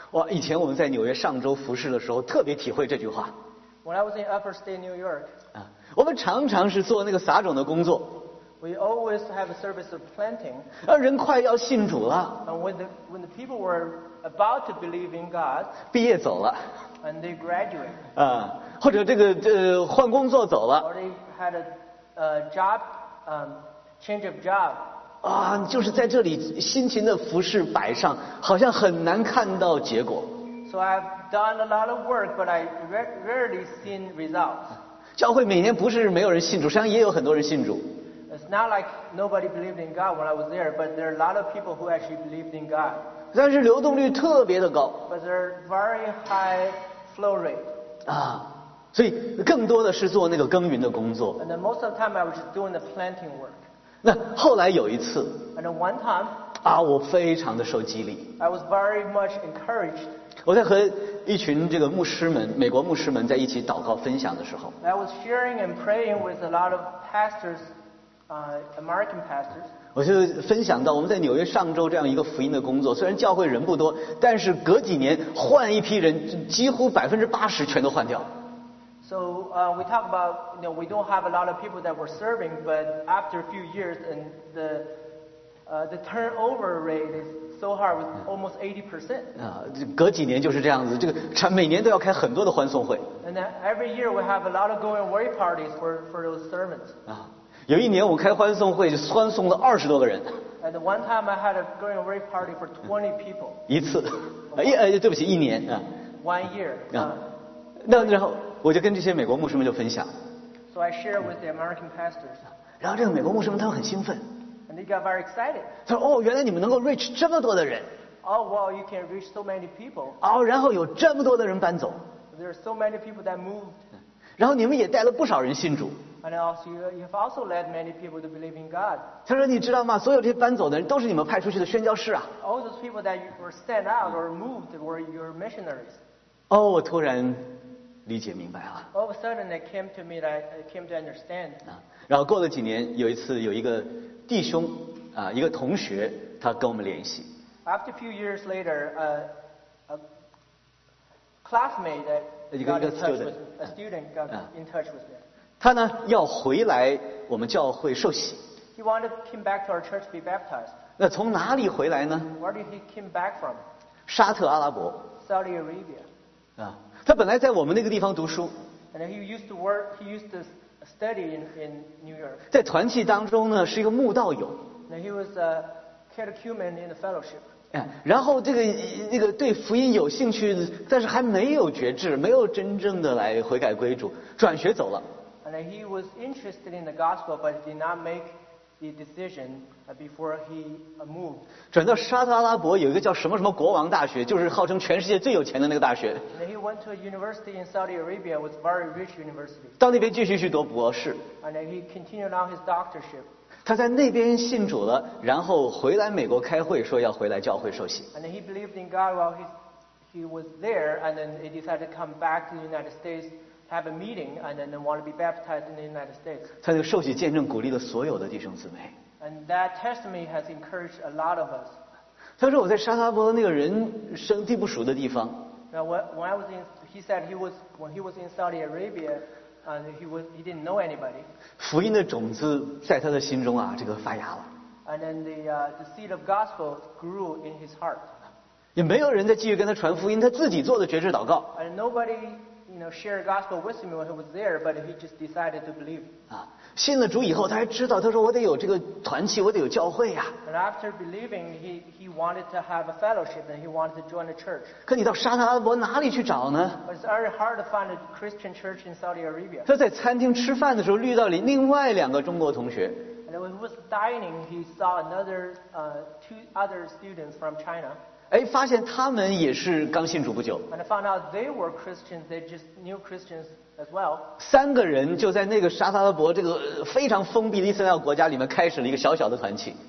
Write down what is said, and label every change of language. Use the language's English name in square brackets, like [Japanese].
[Chinese] 以前我们在纽约上周服侍的时候，特别体会这句话。 [English] When I was in Upper State, New York, [Chinese] 我们常常是做那个撒种的工作。 [English] We always have a service of planting. [Chinese] 人快要信主了。 [English] And when the people were about to believe in God, [Chinese] 毕业走了。 [English] And they graduate. [Chinese] 或者换工作走了。 [English] Or they had a job, change of job. [Chinese] 就是在这里辛勤的服侍摆上，好像很难看到结果。 [English] So I've done a lot of work, but I rarely seen results. [Chinese] 教会每年不是没有人信主，实际上也有很多人信主。 [English] It's not like nobody believed in God when I was there, but there are a lot of people who actually believed in God. [Chinese] 但是流动率特别的高。 [English] But there's very high flow rate. [Chinese] 所以更多的是做那个耕耘的工作。 [English] And then most of the time I was doing the planting work. [Chinese] 那后来有一次。 [English] And then one time. [Chinese] 我非常的受激励。 [English] I was very much encouraged. [Chinese] 我在和一群这个牧师们，美国牧师们在一起祷告分享的时候， [English] I was sharing and praying with a lot of pastors, American pastors. [Chinese] 我就分享到我们在纽约上周这样一个福音的工作，虽然教会人不多，但是隔几年换一批人，几乎80%全都换掉。 [English] So we talk about, you know, we don't have a lot of people that we're serving, but after a few years and the turnover rate is. So hard with almost 80%. [Chinese] 隔几年就是这样子，这个每年都要开很多的欢送会。 [English] And every year we have a lot of going away parties for those sermons. [Chinese] 有一年我开欢送会就欢送了20多个人。 [English] And one time I had a going away party for 20 people. [Chinese] 一次，对不起，一年啊。 [English] One year. [Chinese] 那然后我就跟这些美国牧师们就分享。 [English] So I share with the American pastors. [Chinese] 然后这个美国牧师们他们很兴奋。 [English] And they got very excited. [Chinese] 他说：“哦，原来你们能够 reach 这么多的人。” [English] Oh, wow, you can reach so many people. [Chinese] 哦，然后有这么多的人搬走。 [English] There are so many people that moved. [Chinese] 然后你们也带了不少人信主。 [English] And also, you have also led many people to believe in God. [Chinese] 他说：“你知道吗？所有这些搬走的人都是你们派出去的宣教士啊。” [English] All those people that were sent out or moved were your missionaries. [Chinese] 哦，我突然理解明白了。 [English] All of a sudden, it came to me that I came to understand. [Chinese] 然后过了几年，有一次有一个弟兄啊，一个同学，他跟我们联系。 [English] After a few years later, a classmate got in touch with me. [Chinese] 他呢要回来我们教会受洗。 [English] He wanted to come back to our church to be baptized. [Chinese] 那从哪里回来呢 [English] ？Where did he come back from? [Chinese] 沙特阿拉伯。 [English] Saudi Arabia. [Chinese] 他本来在我们那个地方读书。 [English] And he used to work. He used to study in New York. [Chinese] 在团契当中呢是一个慕道友。 [English] And he was a catechumen in the fellowship. [Chinese] 然后这个对福音有兴趣，但是还没有觉知，没有真正的来悔改归主，转学走了。 [English] And he was interested in the gospel, but did not make the decision before he moved. [Chinese] 转到沙特阿拉伯有一个叫什么什么国王大学，就是号称全世界最有钱的那个大学。 [English] And he went to a university in Saudi Arabia, was very rich university. [Chinese] 到那边继续去读博士。 [English] And he continued on his doctorship. [Chinese] 他在那边信主了，然后回来美国开会，说要回来教会受洗。 [English] And he believed in God while he was there, and then he decided to come back to the United States. Have a meeting and then want to be baptized in the United States. [Chinese] 他就受洗见证鼓励了所有的弟兄姊妹。 [English] And that testimony has encouraged a lot of us. [Chinese] 他说我在沙拉伯那个人生地不熟的地方。 [English] Now when I was in, he said he was when he was in Saudi Arabia, and he didn't know anybody. [Chinese] 福音的种子在他的心中啊，这个发芽了。 [English] And then the seed of gospel grew in his heart. [Chinese] 也没有人再继续跟他传福音，他自己做的觉知祷告。 [English] And nobody. You know, share gospel with him when he was there, but he just decided to believe. [Chinese] 啊，信了主以后，他还知道，他说我得有这个团契，我得有教会呀。 [English] And after believing, he wanted to have a fellowship and he wanted to join a church. [Chinese] 可你到沙特阿拉伯哪里去找呢 [English] ？But it's very hard to find a Christian church in Saudi Arabia. [Chinese] 他在餐厅吃饭的时候遇到了另外两个中国同学。 [English] And when he was dining, he saw another two other students from China. [Chinese] 哎，发现他们也是刚信主不久。 [English] And I found out they were Christians, they just knew Christians as well. [Chinese] 三个人就在那个沙特阿拉伯这个非常封闭的伊斯兰国家里面开始了一个小小的团契。